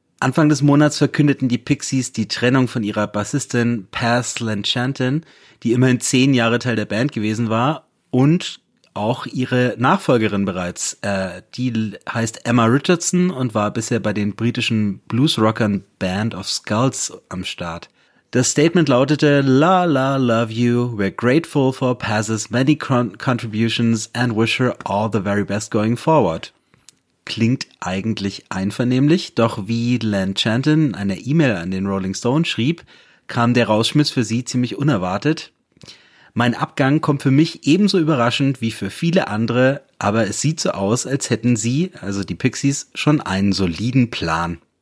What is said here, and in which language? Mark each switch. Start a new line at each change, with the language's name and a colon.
German: Anfang des Monats verkündeten die Pixies die Trennung von ihrer Bassistin Paz Lenchantin, die immerhin 10 Jahre Teil der Band gewesen war, und auch ihre Nachfolgerin bereits. Die heißt Emma Richardson und war bisher bei den britischen Bluesrockern Band of Skulls am Start. Das Statement lautete, La La Love You,
English: we're grateful for Paz's many contributions and wish her all the very best going forward.
German: Klingt eigentlich einvernehmlich, doch wie Lenchantin in einer E-Mail an den Rolling Stone schrieb, kam der Rausschmiss für sie ziemlich unerwartet. Mein Abgang kommt für mich ebenso überraschend wie für viele andere, aber es sieht so aus, als hätten sie, also die Pixies, schon einen soliden Plan.